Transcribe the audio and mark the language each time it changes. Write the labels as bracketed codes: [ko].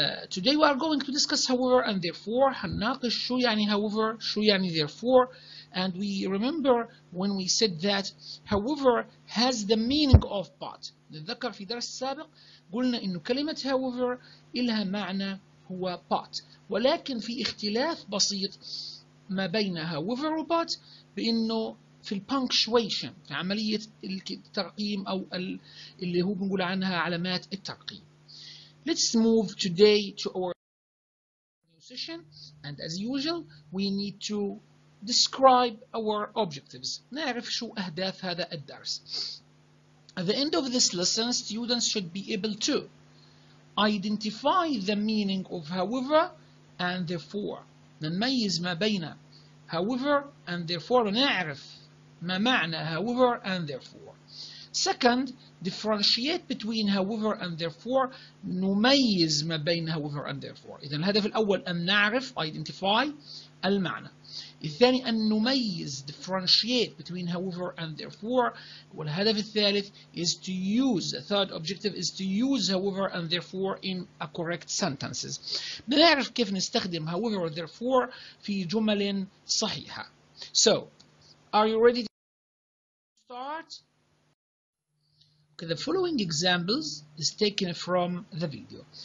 [en] Today we are going to discuss however and therefore. [ar] هنناقش شو يعني however, شو يعني therefore. [en] And we remember when we said that however has the meaning of but. [ar] نتذكر في درس سابق قلنا إن كلمة however إلها معنى هو but. ولكن في اختلاف بسيط ما بين however و but بإنه في punctuation, في عملية الترقيم أو اللي هو بنقول عنها علامات الترقيم. [en] Let's move today to our new session. And as usual, we need to describe our objectives. [ar] نعرف شو أهداف هذا الدرس. [en] At the end of this lesson, students should be able to identify the meaning of however and therefore. [ar] نميز ما بين however and therefore. نعرف ما معنى however and therefore. [en] Second, differentiate between however and therefore. [ar] نميز ما بين however and therefore. إذن الهدف الأول أن نعرف, identify, المعنى. الثاني أن نميز, [en] differentiate between however and therefore. [ar] والهدف الثالث [en] is to use, the third objective is to use however and therefore in a correct sentences. [ar] بنعرف كيف نستخدم however or therefore في جمل صحيحة. [en] So, are you ready to start? Okay, the following examples is taken from the video.